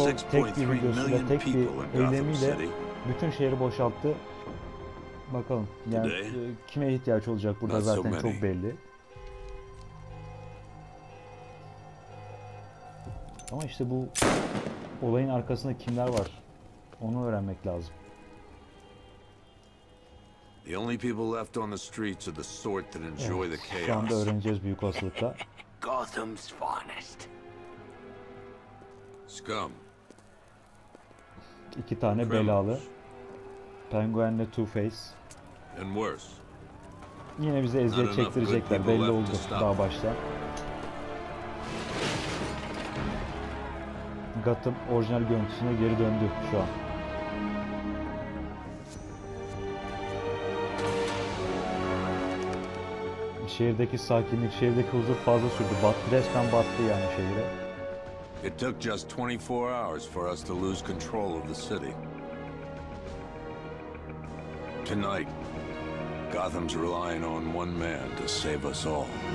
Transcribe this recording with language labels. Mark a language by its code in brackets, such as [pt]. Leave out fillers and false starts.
[tr] Tek bir videosuyla, tek bir eylemiyle bütün şehri boşalttı. Bakalım, yani kime ihtiyaç olacak burada zaten çok belli. Ama işte bu olayın arkasında kimler var, onu öğrenmek lazım. [en] The only people left on the streets are the sort that enjoy the chaos. [tr] Şu anda öğreneceğiz büyük olasılıkla. [en] Gotham's finest. Scum. [tr] İki tane belalı. Penguin'le Two-Face. [en] And worse. [tr] Yine bize eziyet çektirecekler, belli oldu daha başta. Gotham orijinal görüntüsüne geri döndü şu an. Şehirdeki sakinlik, şehirdeki huzur fazla sürdü. Battı, resmen battı yani şehire. [en] It took just 24 hours for us to lose control of the city. Tonight, Gotham's relying on one man to save us all.